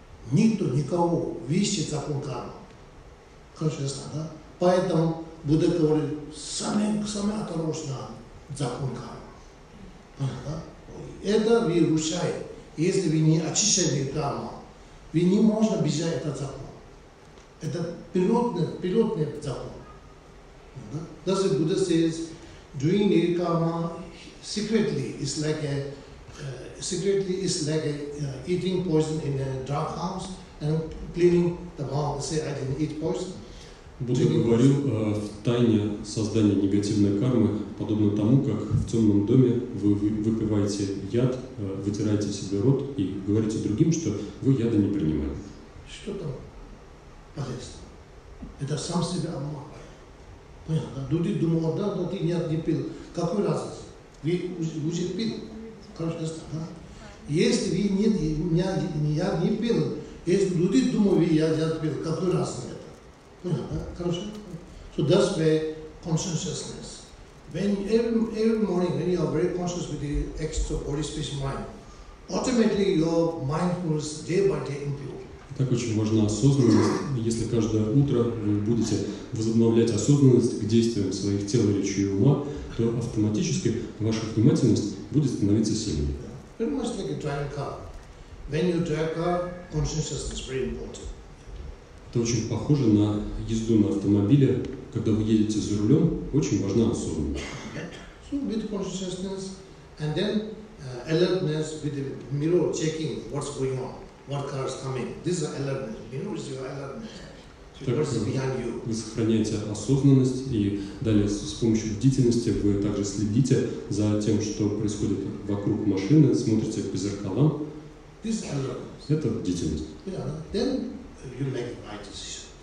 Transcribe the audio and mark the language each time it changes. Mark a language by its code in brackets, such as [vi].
[ru] Никто, никого, вещи закон карма. Хорошо, ясно, да? Поэтому Будда говорит, самый осторожный закон кармы. Это вы нарушаете. Если вы не очищаете карму, вы не можете бежать этот закон. Это природный закон. Даже Будда [en] says, doing your karma secretly is like eating poison in a drug house and cleaning the mouth and say, I didn't eat poison. [ru] Будда говорил в тайне создания негативной кармы, подобно тому, как в темном доме вы выпиваете яд, вытираете себе рот и говорите другим, что вы яда не принимаете. Что там полезно? Это сам себя обманывает. Понятно, да? Люди думают, да, но ты яд не пил. Какой разница? Вы уже пили. Кажется, да? Если вы яд не пил, если люди думают, вы яд пил, какой разница? Хорошо? [en] So that's where consciousness. When every morning when you are very conscious with the extra body, space, mind, automatically your mindfulness day by day improve. [ru] Так очень важна осознанность. Если каждое утро вы будете возобновлять осознанность к действиям своих тел, речи и ума, то автоматически ваша внимательность будет становиться сильнее. [en] Very much like a driving car. When you drive car, consciousness is very important. [ru] Это очень похоже на езду на автомобиле. Когда вы едете за рулем, очень важна осознанность. [en] So with consciousness and then alertness with the mirror checking what's going on, what car is coming. This is alertness. Mirror is your alertness. Так, what's behind you? [ru] Вы сохраняете осознанность и далее с помощью бдительности вы также следите за тем, что происходит вокруг машины, смотрите по зеркалам. [en] This is alertness. [ru] Это бдительность. [en] Yeah. Then you make the right decision.